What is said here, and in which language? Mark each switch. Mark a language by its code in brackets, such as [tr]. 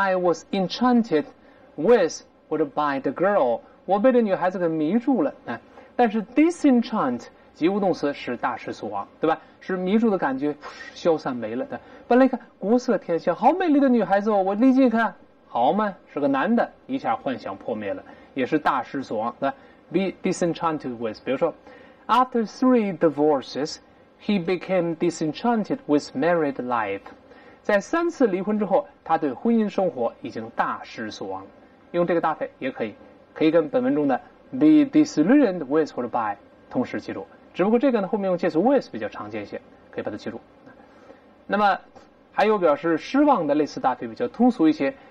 [en] I was enchanted with or by the girl， [zh] 我被这女孩子给迷住了。但是 disenchant 及物动词使大失所望，对吧？使迷住的感觉消散没了。本来看国色天香，好美丽的女孩子哦，我立即看，好吗？是个男的，一下幻想破灭了，也是大失所望。对吧 ？Be disenchanted with， 比如说 ， [en] After 3 divorces， he became disenchanted with married life。 [zh] 在3次离婚之后，他对婚姻生活已经大失所望了。用这个搭配也可以，可以跟本文中的 be disillusioned with or by 同时记住。只不过这个呢，后面用介词 with 比较常见一些，可以把它记住。那么还有表示失望的类似搭配，比较通俗一些。